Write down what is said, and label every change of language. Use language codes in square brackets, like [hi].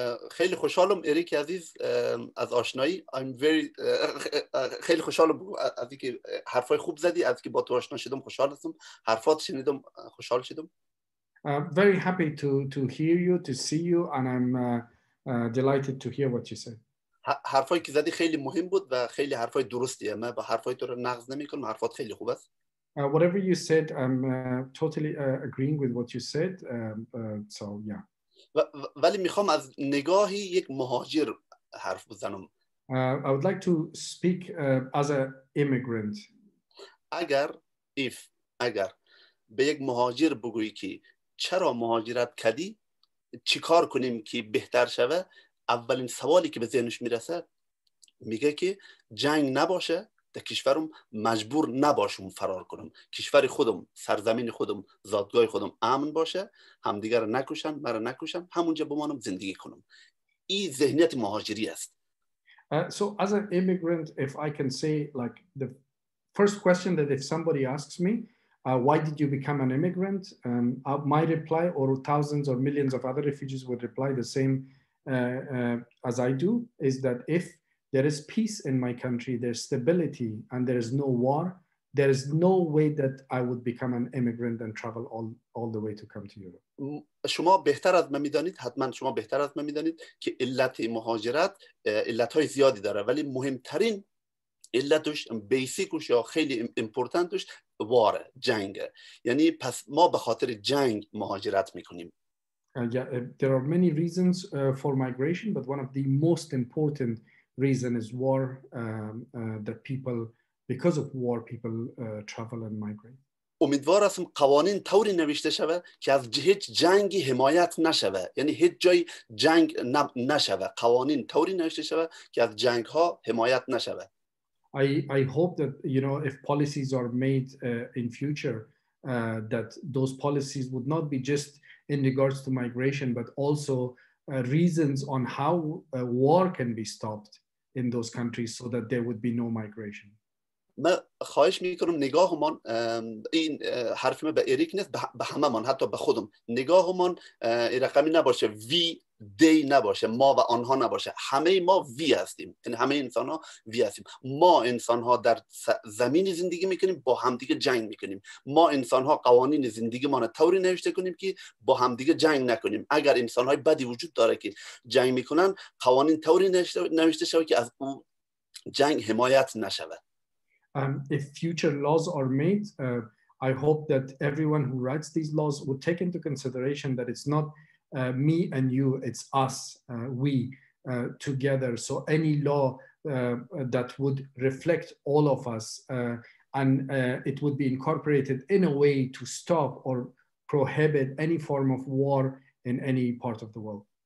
[fa] خیلی خوشحالم اریک عزیز از آشنایی. [en] I'm very [fa] خیلی خوشحالم از اینکه حرفای خوب زدی، از اینکه با تو آشنا شدم خوشحال هستم، حرفات شنیدم خوشحال شدم. [en] Very happy to hear you, to see you, and I'm delighted to hear what you said. [fa] حرفایی که زدی خیلی مهم بود و خیلی حرفای درستیه. من با حرفای تو رو نقض نمی‌کنم، حرفات خیلی خوب است. [en] Whatever you said, I'm totally agreeing with what you said. So yeah. [fa] ولی میخوام از نگاهی یک مهاجر حرف بزنم. [en] I would like to speak as an immigrant. [fa] اگر به یک مهاجر بگویی که چرا مهاجرت کردی، چی کار کنیم که بهتر شوه، اولین سوالی که به ذهنش میرسه میگه که جنگ نباشه، در کشورم مجبور نباشم فرار کنم، کشور خودم، سرزمین خودم، زادگاه خودم امن باشه، همدیگر نکشن، مرا نکشن، همونجا بمانم زندگی کنم. این ذهنیت مهاجری است. [en] So as an immigrant, if I can say, like, the first question that if somebody asks me, why did you become an immigrant, my reply, or thousands or millions of other refugees would reply the same as I do, is that if there is peace in my country, there's stability, and there is no war, there is no way that I would become an immigrant and travel all the way to come to Europe. [fa] شما بهتر از من میدانید، حتما شما بهتر از من میدانید که علت مهاجرت علتهای زیادی داره، ولی مهمترین علتش، بیسیکش یا خیلی امپورتنتش، واره، جنگه. یعنی پس ما به خاطر جنگ مهاجرت میکنیم. [en] There are many reasons for migration, but one of the most important reason is war, that people, because of war, people travel and migrate. [fa] امیدوار هستم قوانین طوری نوشته شوه که از هیچ جنگی حمایت نشوه، یعنی هیچ جای جنگ نشوه، قوانین طوری نوشته شوه که از جنگ ها حمایت نشوه. [en] I hope that, you know, if policies are made in future, that those policies would not be just in regards to migration, but also reasons on how war can be stopped in those countries so that there would be no migration. [fa] ما خواهش میکنم نگاهمون، این حرف ما به اریک نیست، به هممون، حتی به خودم، نگاهمون این رقمی نباشه، وی دی نباشه، ما و آنها نباشه، همه ما وی هستیم، یعنی همه انسان ها وی هستیم. ما انسان ها در زمین زندگی میکنیم، با همدیگه جنگ میکنیم. ما انسان ها قوانین زندگی ما رو طوری نوشته کنیم که با همدیگه جنگ نکنیم. اگر انسان های بدی وجود داره که جنگ میکنن، قوانین طوری نوشته شود که از اون جنگ حمایت نشود. [en] If future laws are made, I hope that everyone who writes these laws would take into consideration that it's not me and you, it's us, we, together. So any law that would reflect all of us, and it would be incorporated in a way to stop or prohibit any form of war in any part of the world.